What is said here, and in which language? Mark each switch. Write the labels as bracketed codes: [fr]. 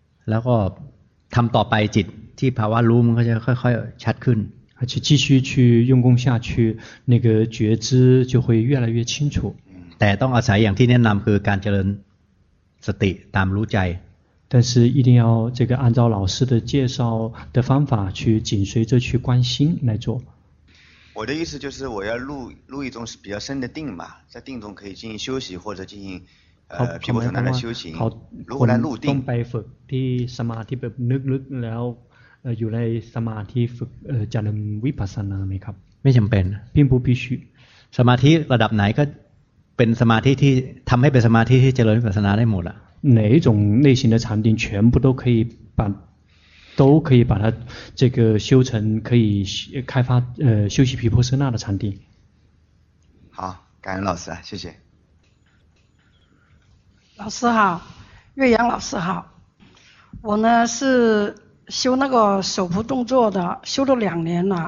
[th] แล้วก็ทำต่อไปจิตที่ภาวะรู้มันก็จะค่อยๆชัดขึ้น， [zh] 而且继续去用功下去，那个觉知就会越来越清楚。 [th] แต่ต้องอาศัยอย่างที่แนะนำคือการเจริญสติตามรู้ใจ， [zh] 但是一定要这个按照老师的介绍的方法去紧随着去观心来做。我的意思就是我要入一种比较深的定嘛在定中可以进行休息或者进行毗婆舍那的修行如果来入定 [th] ต้องไปฝึกที่สมาธิแบบลึกๆแล้วอยู่ในสมาธิฝึกเจริญวิปัสสนาไหมครับ ไม่จำเป็น [zh] 并不必须 [th] สมาธิระดับไหนก็เป็นสมาธิที่ทำให้เป็นสมาธิที่เจริญวิปัสสนาได้หมดอ่ะ [zh] 哪一种类型的禅定全部都可以把它这个修成可以开发休息毗婆舍那的禅定。好，感恩老师啊，谢谢。老师好，岳阳老师好，我呢是修那个手部动作的，修了两年了。